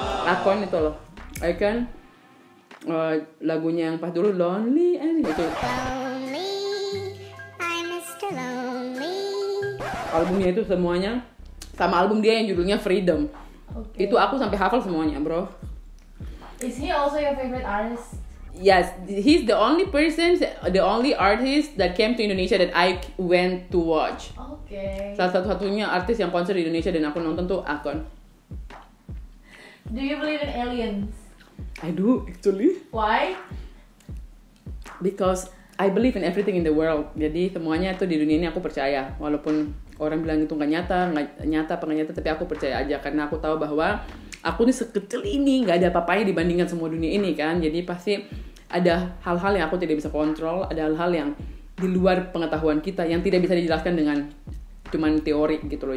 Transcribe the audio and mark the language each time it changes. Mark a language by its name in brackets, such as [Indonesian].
[Indonesian] Akon itu loh. Akon. Lagunya yang pas dulu, Lonely and gitu. [English] Lonely, I'm Mr. Lonely. [Indonesian] Albumnya itu semuanya sama album dia yang judulnya Freedom. [English] Okay. [Indonesian] Itu aku sampai hafal semuanya, bro. [English] Is he also your favorite artist? Yes, he's the only person, the only artist that came to Indonesia that I went to watch. Okay. [Indonesian] Salah satu-satunya artis yang konser di Indonesia dan aku nonton tuh Akon. [English] Do you believe in aliens? I do, actually. Why? Because I believe in everything in the world. [Indonesian] Jadi semuanya itu di dunia ini aku percaya. Walaupun orang bilang itu gak nyata, tapi aku percaya aja. Karena aku tahu bahwa aku ini sekecil ini, gak ada apa-apanya dibandingkan semua dunia ini kan. Jadi pasti ada hal-hal yang aku tidak bisa kontrol, ada hal-hal yang di luar pengetahuan kita, yang tidak bisa dijelaskan dengan cuman teori gitu loh.